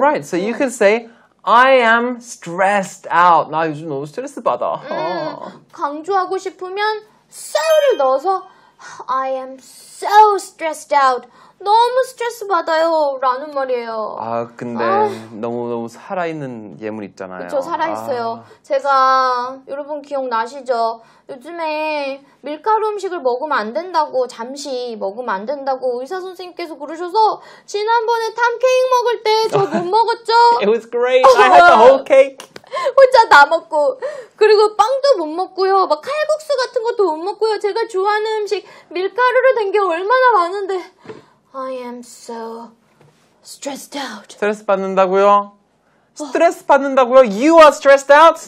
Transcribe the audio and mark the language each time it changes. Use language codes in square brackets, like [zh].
[en] Right, so you can say I am stressed out. [ko] 나 요즘 너무 스트레스 받아. 강조하고 싶으면 so를 넣어서 [en] I am so stressed out. [ko] 너무 스트레스 받아요. 라는 말이에요. 아, 근데 너무너무 살아있는 예문 있잖아요. 그쵸, 살아있어요. 아. 제가, 여러분 기억나시죠? 요즘에 밀가루 음식을 먹으면 안 된다고, 잠시 먹으면 안 된다고 의사선생님께서 그러셔서 지난번에 탐 케이크 먹을 때 저 못 먹었죠? [en] It was great. I had the whole cake. [ko] 혼자 다 먹고 그리고 빵도 못 먹고요. 막 칼국수 같은 것도 못 먹고요. 제가 좋아하는 음식 밀가루를 댄 게 얼마나 많은데 [en] I am so stressed out. [ko] 스트레스 받는다고요? 스트레스 받는다고요? [en] You are stressed out?